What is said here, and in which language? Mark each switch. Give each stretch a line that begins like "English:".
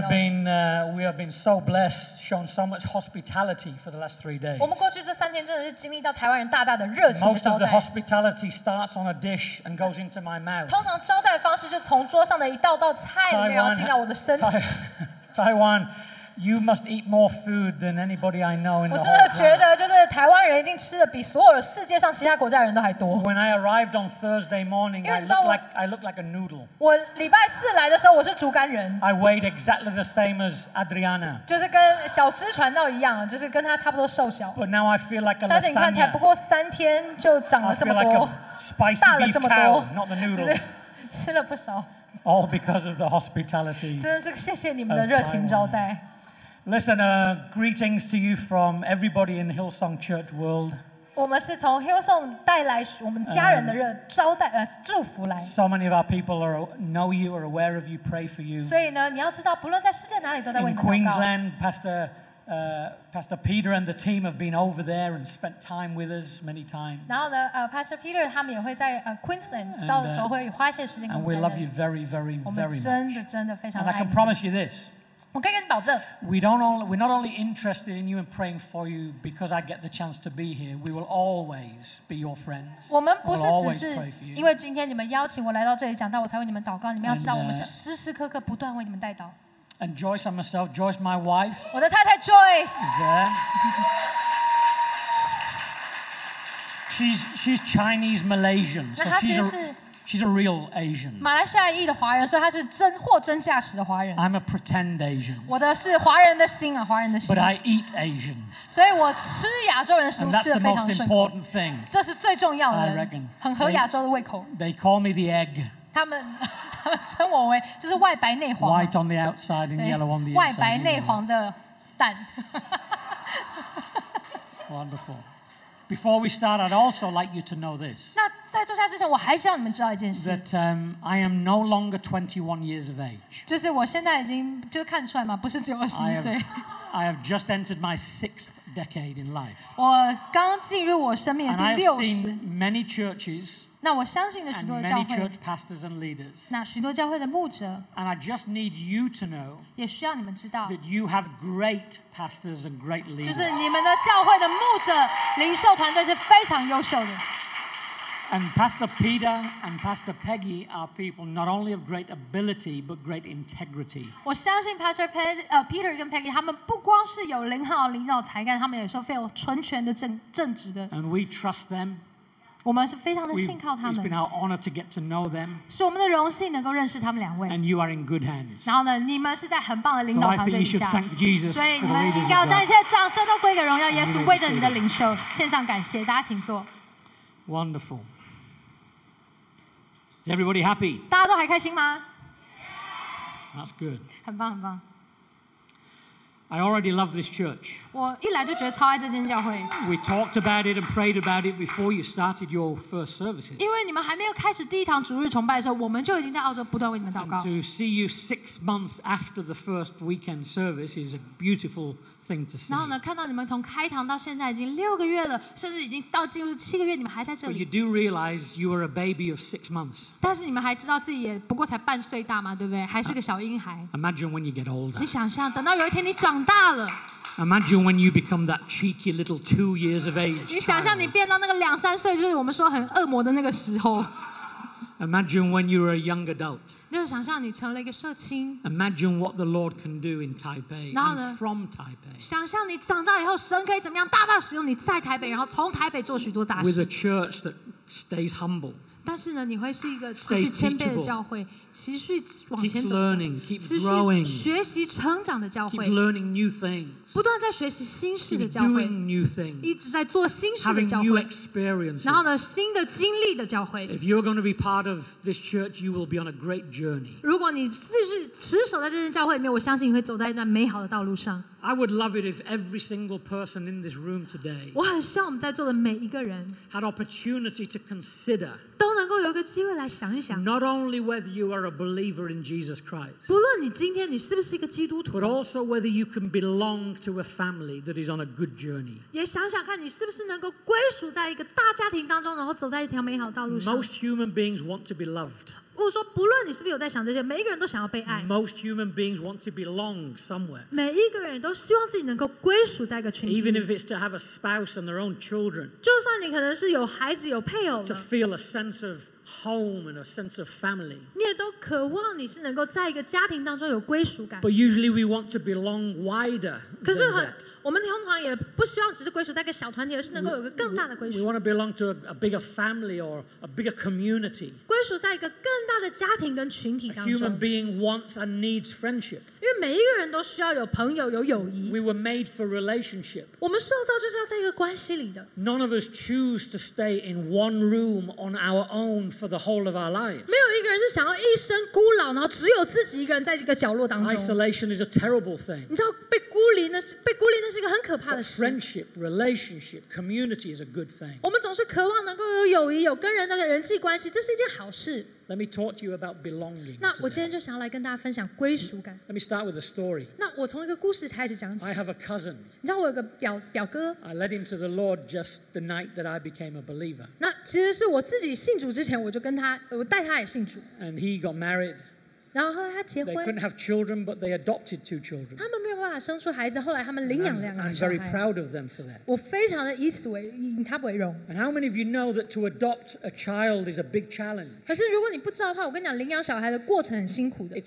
English: We have been so blessed, shown so much hospitality for the last 3 days.
Chinese: 我们过去这三天真的是经历到台湾人大大的热情的招待。
English: Most of the hospitality starts on a dish and goes into my mouth.
Chinese: 通常招待的方式就从桌上的一道道菜里面，然后进到我的身体。
English: Taiwan。 You must eat more food than anybody I know in the world.
Chinese: 我真的觉得，就是台湾人一定吃的比所有世界上其他国家人都还多。
English: When I arrived on Thursday morning, I looked like a noodle.
Chinese: 我礼拜四来的时候，我是竹竿人。
English: I weighed exactly the same as Adriana.
Chinese: 就是跟小芝传道一样，就是跟他差不多瘦小。
English: But now I feel like a lasagna.
Chinese: 但是你看，才不过三天就长了这么多，大了这么多。
English: Spicy beef cow, not the noodle.
Chinese: 吃了不少。
English: All because of the hospitality.
Chinese: 真的是谢谢你们的热情招待。
English: Listen, greetings to you from everybody in Hillsong Church World.
Chinese: 我们是从 Hillsong 带来我们家人的热招待祝福来。
English: So many of our people know you, are aware of you, pray for you.
Chinese: 所以呢，你要知道，不论在世界哪里，都在为你祷告。
English: In Queensland, Pastor Peter and the team have been over there and spent time with us many times.
Chinese: 然后呢，Pastor Peter 他们也会在Queensland 到的时候会花些时间跟我们在那里。
English: And we love you very, very, very much.
Chinese: 我们真的非常爱你。
English: And I can promise you this.
Chinese: 我可以跟你保证
English: we're not only interested in you and praying for you because I get the chance to be here. We will always be your friends.
Chinese: 我们不是只是因为今天你们邀请我来到这里讲道，我才为你们祷告。你们要知道，我们是时时刻刻不断为你们代祷。
English: And Joyce and myself, Joyce, my wife.
Chinese: 我的太太 Joyce.
English: Yeah. she's Chinese Malaysian. So She's a real Asian.
Chinese: 马来西亚裔的华人，所以她是真货真价实的华人。
English: I'm a pretend Asian.
Chinese: 我的是华人的心啊，华人的心。
English: But I eat Asian.
Chinese: 所以我吃亚洲人的食物吃得非常顺。
English: And that's the most important thing.
Chinese: 这是最重要的。
English: I reckon.
Chinese: 很合亚洲的胃口。
English: They call me the egg.
Chinese: 他们称我为就是外白内黄。
English: White on the outside and yellow on the inside.
Chinese: 外白内黄的蛋。
English: Wonderful. Before we start, I'd also like you to know this.
Chinese: 那在坐下之前，我还是要你们知道一件事。
English: That I am no longer 21 years of age.
Chinese: 就是我现在已经就看出来嘛，不是只有21岁。
English: I have just entered my 6th decade in life.
Chinese: 我刚进入我生命的第六十。
English: And I've seen many churches.
Chinese: 那我相信的许多教会。
English: And many church pastors and leaders.
Chinese: 那许多教会的牧者。
English: And I just need you to know.
Chinese: 也需要你们知道。
English: That you have great pastors and great leaders.
Chinese: 就是你们的教会的牧者领袖团队是非常优秀的。
English: And Pastor Peter and Pastor Peggy are people not only of great ability but great integrity.
Chinese: 我相信 Pastor Peter 跟 Peggy 他们不光是有良好的领导才干，他们也是非常纯全的正直的。
English: And we trust them.
Chinese: 我们是非常的信靠他们。
English: It's been our honor to get to know them.
Chinese: 是我们的荣幸能够认识他们两位。
English: And you are in good hands.
Chinese: 然后呢，你们是在很棒的领导团队底下。
English: So I think you should thank Jesus.
Chinese: 所以你们应该要将一切掌声都归给荣耀耶稣，为着你的领袖献上感谢。大家请坐。
English: Wonderful. Is everybody happy?
Chinese: 大家都还开心吗？
English: That's good.
Chinese: 很棒，很棒。
English: I already love this church.
Chinese: 我一来就觉得超爱这间教会。
English: We talked about it and prayed about it before you started your first services.
Chinese: 因为你们还没有开始第一堂主日崇拜的时候，我们就已经在澳洲不断为你们祷告。
English: And to see you 6 months after the first weekend service is a beautiful thing to see.
Chinese: 然后呢，看到你们从开堂到现在已经六个月了，甚至已经到进入七个月，你们还在这里。
English: But you do realize you are a baby of 6 months.
Chinese: 但是你们还知道自己也不过才半岁大嘛，对不对？还是个小婴孩。
English: Imagine when you get older.
Chinese: 你想象，等到有一天你长大了。
English: Imagine when you become that cheeky little 2 years of age.
Chinese: 你想象你变到那个两三岁，就是我们说很恶魔的那个时候。
English: Imagine when you are a young adult.
Chinese: 就想象你成了一个社青。
English: Imagine what the Lord can do in Taipei.
Chinese: 然后呢
English: ？From Taipei.
Chinese: 想象你长大以后，神可以怎么样大大使用你在台北，然后从台北做许多大事。
English: With a church that stays humble.
Chinese: 但是呢，你会是一个持续谦卑的教会，持续往前走。
English: Keep learning, keep growing.
Chinese: 持续学习成长的教会。
English: Keep learning new things.
Chinese: 不断在学习新事的教会。
English: Keep doing new things.
Chinese: 一直在做新事的教会。
English: Having new experiences.
Chinese: 然后呢，新的经历的教会。
English: If you're going to be part of this church, you will be on a great journey.
Chinese: 如果你就是持守在这间教会里面，我相信你会走在一段美好的道路上。
English: I would love it if every single person in this room today.
Chinese: 我很希望我们在座的每一个人
English: had opportunity to consider.
Chinese: 都能够有个机会来想一想。
English: Not only whether you are a believer in Jesus Christ.
Chinese: 不论你今天你是不是一个基督徒。
English: But also whether you can belong to a family that is on a good journey.
Chinese: 也想想看你是不是能够归属在一个大家庭当中，然后走在一条美好的道路上。
English: Most human beings want to be loved.
Chinese: 我说，不论你是不是有在想这些，每一个人都想要被爱。
English: Most human beings want to belong somewhere.
Chinese: 每一个人都希望自己能够归属在一个群体。
English: Even if it's to have a spouse and their own children.
Chinese: 就算你可能是有孩子有配偶的。
English: To feel a sense of home and a sense of family.
Chinese: 你也都渴望你是能够在一个家庭当中有归属感。
English: But usually we want to belong wider.
Chinese: 可是很。我们通常也不希望只是归属在一个小团体，而是能够有个更大的归属。
English: We want to belong to a bigger family or a bigger community.
Chinese: 归属在一个更大的家庭跟群体当中。
English: A human being wants and needs friendship.
Chinese: 因为每一个人都需要有朋友，有友谊。
English: We were made for relationship.
Chinese: 我们受造就是要在一个关系里的。
English: None of us choose to stay in one room on our own for the whole of our lives.
Chinese: 没有一个人是想要一生孤老，然后只有自己一个人在这个角落当中。
English: Isolation is a terrible thing.
Chinese: 你知道被孤立那是被孤立那是。是一个很可怕的事。
English: Friendship, relationship, community is a good thing.
Chinese: 我们总是渴望能够有友谊，有跟人的人际关系，这是一件好事。
English: Let me talk to you about belonging.
Chinese: 那我今天就想要来跟大家分享归属感。
English: Let me start with a story.
Chinese: 那我从一个故事开始讲起。
English: I have a cousin.
Chinese: 你知道我有个表哥。
English: I led him to the Lord just the night that I became a believer.
Chinese: 那其实是我自己信主之前，我带他也信主。
English: And he got married.
Chinese: 然后后来他结婚。
English: They couldn't have children, but they adopted 2 children.
Chinese: 他们没有办法生出孩子，后来他们领养两个小孩。
English: I'm very proud of them for that.
Chinese: 我非常的以此为引他为荣。
English: And how many of you know that to adopt a child is a big challenge?
Chinese: 可是如果你不知道的话，我跟你讲，领养小孩的过程很辛苦的。